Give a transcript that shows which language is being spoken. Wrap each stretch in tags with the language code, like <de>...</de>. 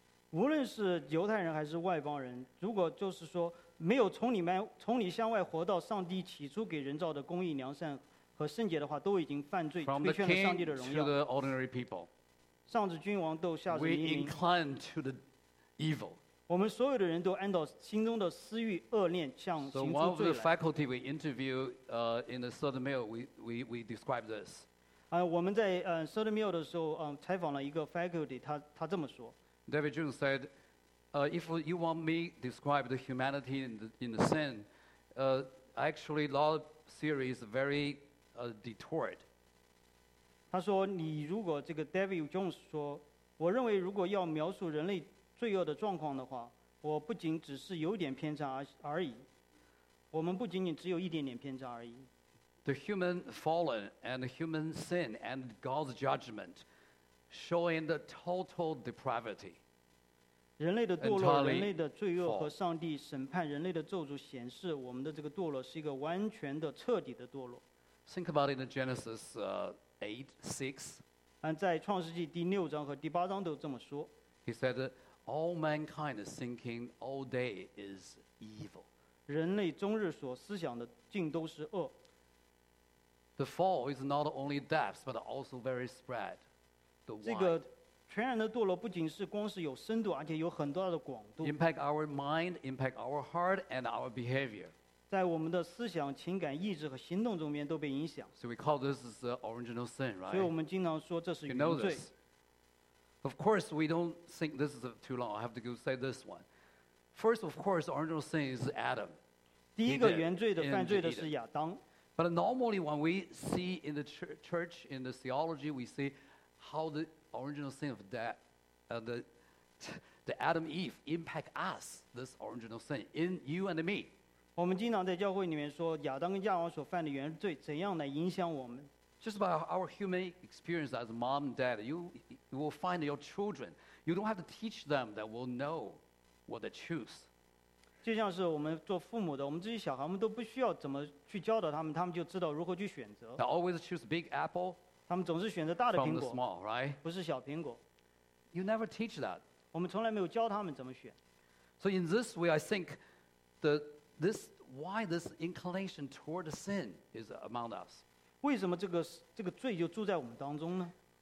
<zh>无论是犹太人还是外邦人，如果就是说没有从里向外活到上帝起初给人造的公义、良善和圣洁的话，都已经犯罪，亏欠了上帝的荣耀。</zh> <en>From the king to the ordinary people.</en> <zh>上至君王，都下至民。</zh> <en>We incline to the evil.</en> <zh>我们所有的人都按照心中的私欲、恶念，向行出罪来。</zh> <en>So one of the faculty we interview, in the Southern Mill, we describe this.</en> <zh>我们在Southern Mill 的时候，采访了一个 faculty, 他这么说。</zh> <en>David June said, if you want me describe the humanity in the sin, actually law theory is very detoured.</en> <zh>他说你如果这个 David Jones 说我认为如果要描述人类罪恶的状况的话我不仅只是有点偏差而已我们不仅仅只有一点点偏差而已</zh> <en>The human fallen and human sin and God's judgment showing the total depravity</en> <zh>人类的堕落人类的罪恶和上帝审判人类的咒诅显示我们的这个堕落是一个完全的彻底的堕落</zh> <en>Think about it in Genesis 8:6.</en> <zh>在创世纪第六章和第八章都这么说。</zh> <en>He said, "All mankind thinking all day is evil."</en> <zh>人类终日所思想的尽都是恶。</zh> <en>The fall is not only depth, but also very spread.</en> <zh>这个全然的堕落不仅是光是有深度，而且有很多的广度。</zh> <en>Impact our mind, impact our heart, and our behavior.</en> <zh>在我们的思想、情感、意志和行动中间都被影响。</zh> <en>So we call this the original sin, right?</en> <zh>所以我们经常说这是原罪。</zh> <en>You know of course, we don't think this is too long. I have to go say this one. First, of course, original sin is Adam.</en> <zh>第一个原罪的犯罪的是亚当。</zh> <en>But normally, when we see in the church, in the theology, we see how the original sin of that, the Adam Eve impact us, this original sin, in you and me.</en> <zh>我们经常在教会里面说亚当跟夏娃所犯的原罪怎样来影响我们</zh> <en>Just by our human experience as mom and dad you will find your children you don't have to teach them that will know what they choose</en> <zh>就像是我们做父母的我们这些小孩我们都不需要怎么去教导他们他们就知道如何去选择</zh> <en>They always choose big apple</en> <zh>他们总是选择大的苹果</zh> <en>from the small, right?</en> <zh>不是小苹果</zh> <en>You never teach that</en> <zh>我们从来没有教他们怎么选</zh> <en>So in this way I think why this inclination toward sin is among us.</en> <zh>为什么这个罪就住在我们当中呢？</zh>